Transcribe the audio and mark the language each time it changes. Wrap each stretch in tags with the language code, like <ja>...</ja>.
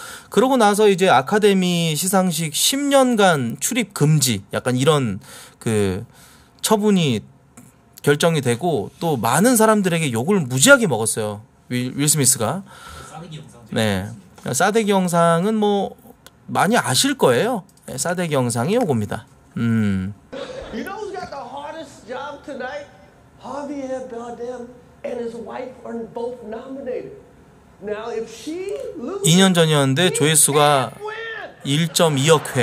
<ko>그러고 나서 이제 아카데미 시상식 10년간 출입 금지 약간 이런 그 처분이 결정이 되고 또 많은 사람들에게 욕을 무지하게 먹었어요. 윌 스미스가. 네. 싸대기 영상은 뭐 많이 아실 거예요. 네, 싸대기 영상이 요겁니다.</ko> <en>You know who's got the hardest job tonight? Javier Bardem and his wife are both nominated. Now if she loses,</en> <ko>2년 전이었는데 조회수가 1.2억 회.</ko>